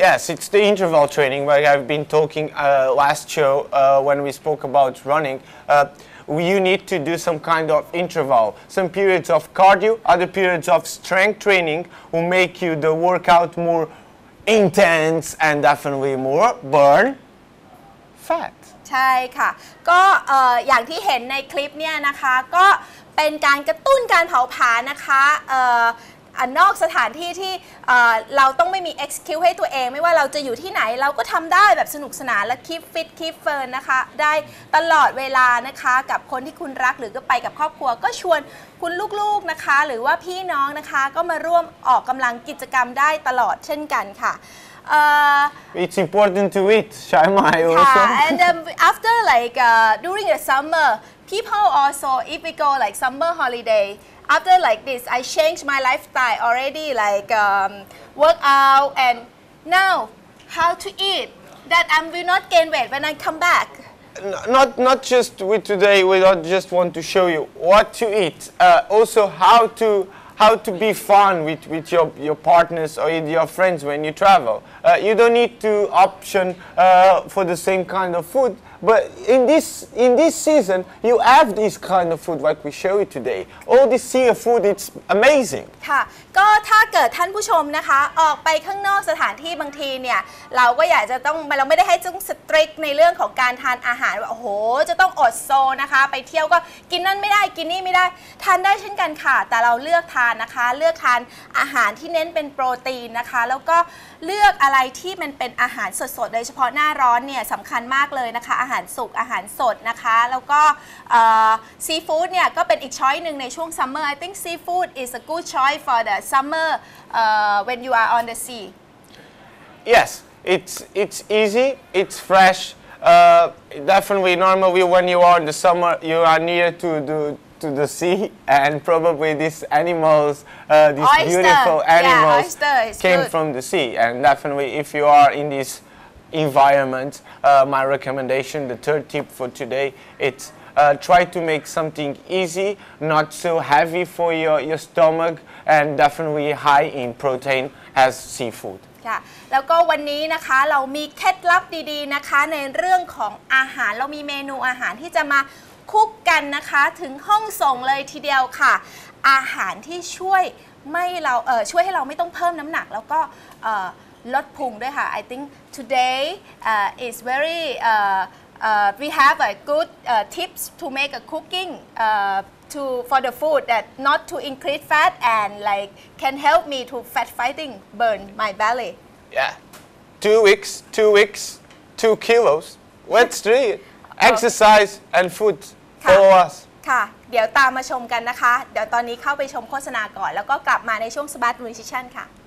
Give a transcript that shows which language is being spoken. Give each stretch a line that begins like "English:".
English: Yes, it's the interval training where I've been talking last show when we spoke about running. You need to do some kind of interval, some periods of cardio, other periods of strength training will make you the workout more intense and definitely more burn fat.
Thai: ใช่ค่ะก็อย่างที่เห็นในคลิปเนี่ยนะคะก็เป็นการกระตุ้นการเผาผลาญนะคะนอกสถานที่ที่เราต้องไม่มี excuse ให้ตัวเองไม่ว่าเราจะอยู่ที่ไหนเราก็ทำได้แบบสนุกสนานและ
English: keep fit keep firm
Thai: นะคะได้ตลอดเวลานะคะกับคนที่คุณรักหรือก็ไปกับครอบครัวก็ชวนคุณลูกๆนะคะหรือว่าพี่น้องนะคะก็มาร่วมออกกำลังกิจกรรมได้ตลอดเช่นกันค่ะ
English: It's important to eat, Shaima. And after during the summer, people also if we go like summer holiday. After like this, I changed my lifestyle already, work out, and now how to eat that I will not gain weight when I come back. Not just with today, we don't just want to show you what to eat, also how to be fun with your partners or your friends when you travel. You don't need to option for the same kind of food. But in this season, you have this kind of food like we show you today. All this seafood, it's amazing.
Thai: ค่ะก็ถ้าเกิดท่านผู้ชมนะคะออกไปข้างนอกสถานที่บางทีเนี่ยเราก็อยากจะต้องเราไม่ได้ให้ต้องสตริกในเรื่องของการทานอาหารว่าโอ้โหจะต้องอดโซนะคะไปเที่ยวก็กินนั่นไม่ได้กินนี่ไม่ได้ทานได้เช่นกันค่ะแต่เราเลือกทานนะคะเลือกทานอาหารที่เน้นเป็นโปรตีนนะคะแล้วก็ เลือกอะไรที่มันเป็นอาหารสดๆโดยเฉพาะหน้าร้อนเนี่ยสำคัญมากเลยนะคะอาหารสุกอาหารสดนะคะแล้วก็ซีฟู้ดเนี่ยก็เป็นอีกช้อยนึงในช่วงซัมเมอร์
English: I think seafood is a good choice for the summer when you are on the sea Yes it's easy it's fresh definitely normally when you are in the summer you are near to the sea and probably these animals these oyster. Beautiful animals yeah, oyster, it's came good. From the sea and definitely if you are in thisenvironment my recommendation the third tip for today it's try to make something easy not so heavy for your stomach and definitely high in protein as seafood
Thai: ค่ะแล้วก็วันนี้นะคะเรามีเคล็ดลับดีๆนะคะในเรื่องของอาหารเรามีเมนูอาหารที่จะมาคุกกันนะคะถึงห้องส่งเลยทีเดียวค่ะอาหารที่ช่วย ไม่เราช่วยให้เราไม่ต้องเพิ่มน้ำหนักแล้วก็ลดพุงด้วยค่ะ
English: I think today is very we have a good tips to make a cooking to for the food that not to increase fat and like can help me to fat fighting burn my belly yeah 2 weeks 2 kilos let's do it exercise and food follow us
Thai: ค่ะเดี๋ยวตามมาชมกันนะคะเดี๋ยวตอนนี้เข้าไปชมโฆษณาก่อนแล้วก็กลับมาในช่วง Smart Nutrition ค่ะ